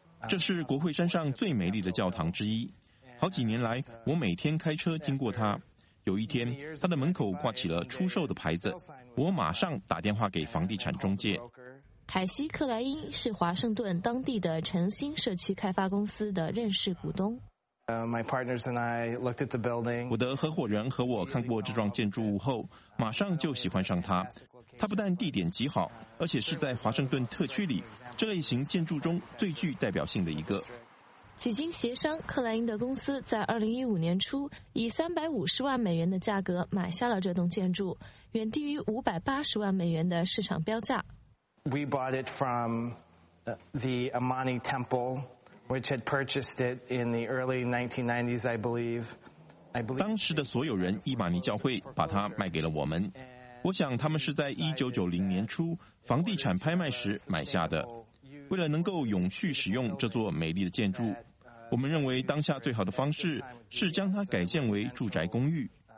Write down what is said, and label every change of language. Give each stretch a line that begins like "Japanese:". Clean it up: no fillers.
Chinese: 这是国会山上最美丽的教堂之一。好几年来，我每天开车经过它。有一天，它的门口挂起了出售的牌子，我马上打电话给房地产中介。凯西·克莱因是华盛顿当地的诚心社区开发公司的认识股东。
English: My partners and I looked at the building.
Chinese: 我的合伙人和我看过这幢建筑物后，马上就喜欢上它。它不但地点极好，而且是在华盛顿特区里这类型建筑中最具代表性的一个。几经协商，克莱因的公司在2015年初以350万美元的价格买下了这栋建筑，远低于580万美元的市场标价。
English: We bought it from the Amani Temple. Which had purchased it in the early 1990s, I believe.
Chinese: 当时的所有人伊玛尼教会把它卖给了我们。我想他们是在1990年初房地产拍卖时买下的。为了能够永续使用这座美丽的建筑，我们认为当下最好的方式是将它改建为住宅公寓。